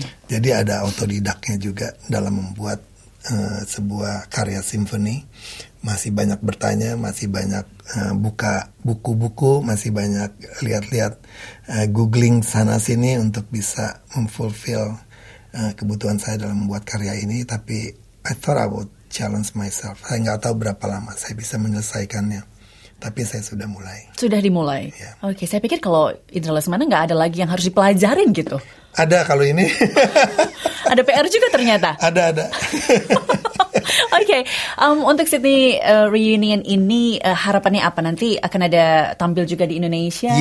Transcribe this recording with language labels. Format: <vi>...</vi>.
<id>Jadi ada otodidaknya juga dalam membuat sebuah karya simfoni. Masih banyak bertanya, masih banyak buka buku-buku, masih banyak lihat-lihat googling sana-sini untuk bisa memfulfill kebutuhan saya dalam membuat karya ini.</id> <en>Tapi I thought I would challenge myself.</en> <id>Saya nggak tahu berapa lama saya bisa menyelesaikannya, tapi saya sudah mulai. Sudah dimulai. Yeah. Oke, saya pikir kalau Indra Lesmana nggak ada lagi yang harus dipelajarin gitu. Ada kalau ini. Ada PR juga ternyata. Ada. Oke, untuk Sydney reunion ini harapannya apa, nanti akan ada tampil juga di Indonesia?</id>